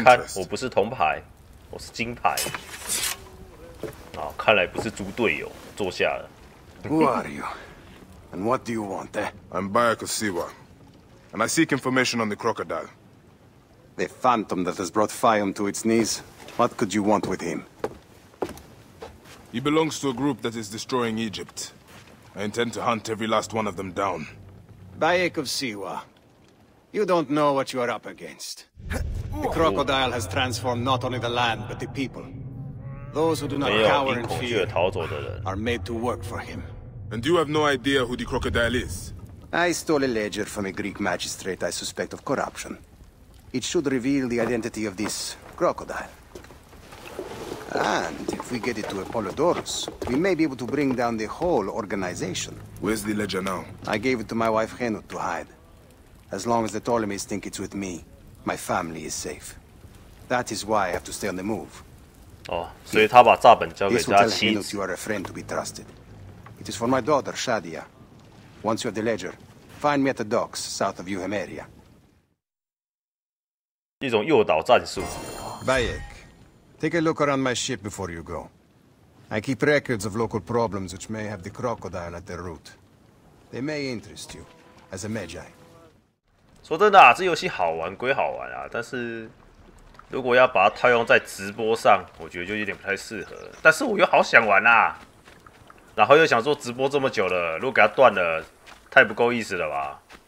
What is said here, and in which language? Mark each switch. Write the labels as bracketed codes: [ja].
[zh] 你看，我不是铜牌，我是金牌。啊，看来不是猪队友，坐下了。 [en] Who are you? And what do you want there? I'm Bayaka Siwa, and I seek information on the crocodile. The phantom that has brought Fayum to its knees. What could you want with him? He belongs to a group that is destroying Egypt. I intend to hunt every last one of them down. Bayaka Siwa, you don't know what you are up against. The crocodile has transformed not only the land, but the people. [zh] 没有因恐惧而逃走的人 [en] ，are made to work for him. And you have no idea who the crocodile is. I stole a ledger from a Greek magistrate I suspect of corruption. It should reveal the identity of this crocodile. And if we get it to Apollodorus, we may be able to bring down the whole organization. Where's the ledger now? I gave it to my wife Henut to hide. As long as the Ptolemies think it's with me, my family is safe. That is why I have to stay on the move. [zh] 哦，所以他把炸本交给他妻子。 [en] You are a friend to be trusted. It is for my daughter Shadia. Once you have the ledger, find me at the docks south of Euhemeria. [zh] 一种诱导战术。 [en] Bayek, take a look around my ship before you go. I keep records of local problems which may have the crocodile at their root. They may interest you as a magi. [zh] 说真的啊，这游戏好玩归好玩啊，但是。如果要把它套用在直播上，我觉得就有点不太适合。但是我又好想玩啊，然后又想说直播这么久了，如果给它断了，太不够意思了吧？